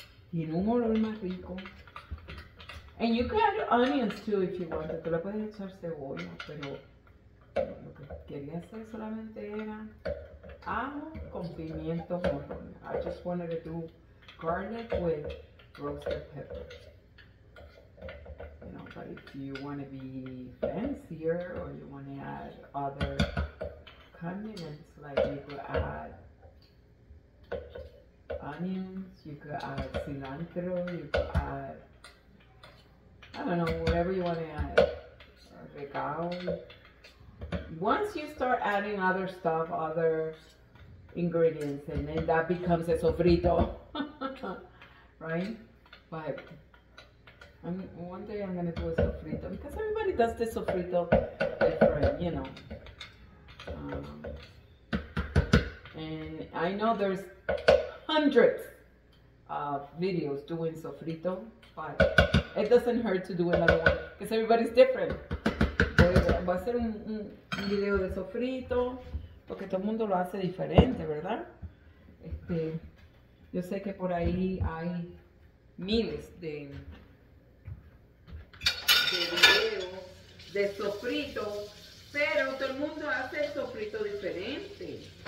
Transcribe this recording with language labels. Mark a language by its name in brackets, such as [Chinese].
[Spanish] Tiene un olor más rico. [English] And you can add onions too if you want. [Spanish] Tú le puedes echar cebolla, pero lo que quería hacer solamente era ajo con pimiento morrón. [English] I just wanted to do garlic with roasted peppers. You know, but if you want to be fancier or you want to add other condiments, like you could add onions, you could add cilantro, you could add, I don't know, whatever you want to add. Oregano. Once you start adding other stuff, other ingredients, and then that becomes a sofrito. Right? But one day I'm going to do a sofrito, because everybody does the sofrito different, you know. And I know there's hundreds of videos doing sofrito, but it doesn't hurt to do another one, because everybody's different. [Spanish] Voy a hacer un video de sofrito, porque todo el mundo lo hace diferente, ¿verdad? Este, yo sé que por ahí hay... miles de videos de sofrito, pero todo el mundo hace el sofrito diferente.